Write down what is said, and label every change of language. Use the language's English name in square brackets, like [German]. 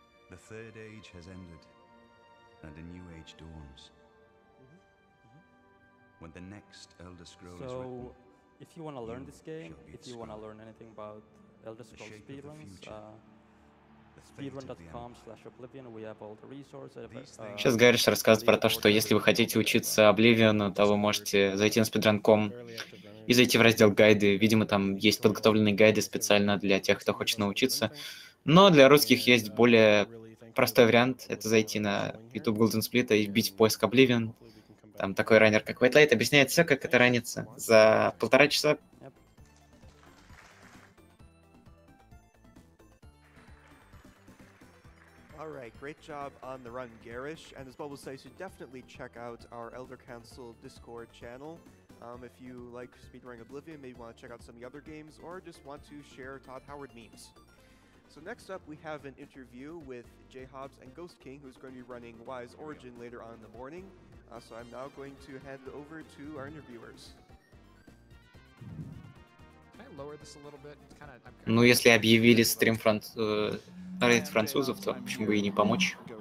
[English] The third age has ended, and a new age dawns. When the next Elder Scroll is written, if you want to learn this game, if you want to learn anything about Elder Scrolls speedruns, speedrun.com/oblivion, we have all the resources. [Russian] Сейчас Гарриш рассказывает про то, что если вы хотите учиться Oblivion, то вы можете зайти на speedrun.com и зайти в раздел гайды. Видимо, там есть подготовленные гайды специально для тех, кто хочет научиться. Но для русских есть более простой вариант. Это зайти на YouTube Golden Split и вбить в поиск Oblivion. Там такой раннер, как White Light, объясняет все, как это ранится за полтора часа. [English] Alright, great job on the run, Garrish. And as Bubble says, you definitely check out our Elder Council Discord channel. If you like speedrunning Oblivion, maybe want to check out some of the other games, or just want to share Todd Howard memes. So next up, we have an interview with Jay Hobbs and Ghost King, who's going to be running Wise Origin later on in the morning. So I'm now going to hand it over to our interviewers. Can I lower this a little bit? [Russian] Ну, если объявили стрим французов, то почему бы и не помочь?